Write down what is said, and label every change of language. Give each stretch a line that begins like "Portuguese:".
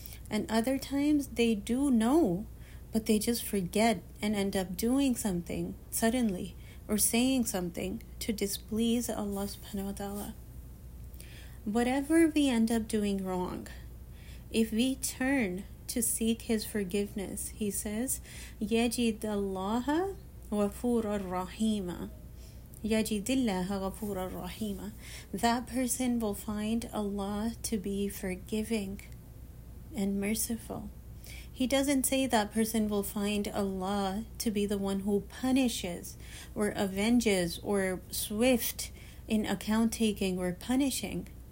English: And other times they do know, but they just forget and end up doing something suddenly or saying something to displease Allah subhanahu wa ta'ala. Whatever we end up doing wrong, if we turn to seek his forgiveness. He says,
Arabic: يجد الله غفورا رحيما. يجد الله غفورا رحيما.
English: That person will find Allah to be forgiving and merciful. He doesn't say that person will find Allah to be the one who punishes or avenges or swift in account taking or punishing.